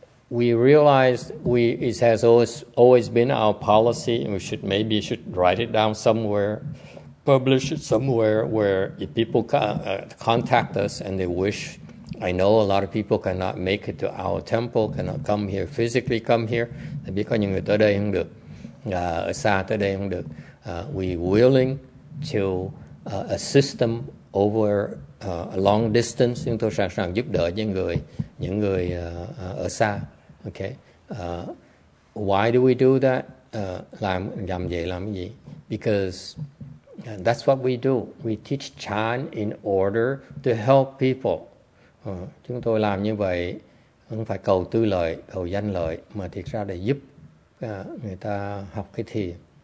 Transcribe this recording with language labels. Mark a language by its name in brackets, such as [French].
[English] We realized it has always been our policy, and we should write it down somewhere, publish it somewhere, where if people contact us and they wish, I know a lot of people cannot make it to our temple, cannot come here, physically come here. [Vietnamese] Tại biết có những người tới đây không được, ở xa tới đây không được. [English] We willing to assist them over a long distance. [Vietnamese] Chúng tôi sẵn sàng giúp đỡ những người ở xa. [English] Okay. Why do we do that? [Vietnamese] Làm vậy làm gì? [English] Because that's what we do. We teach chan in order to help people. [Vietnamese] Chúng tôi làm như vậy không phải cầu tư lợi, cầu danh lợi, mà thiệt ra để giúp người ta học cái thiền.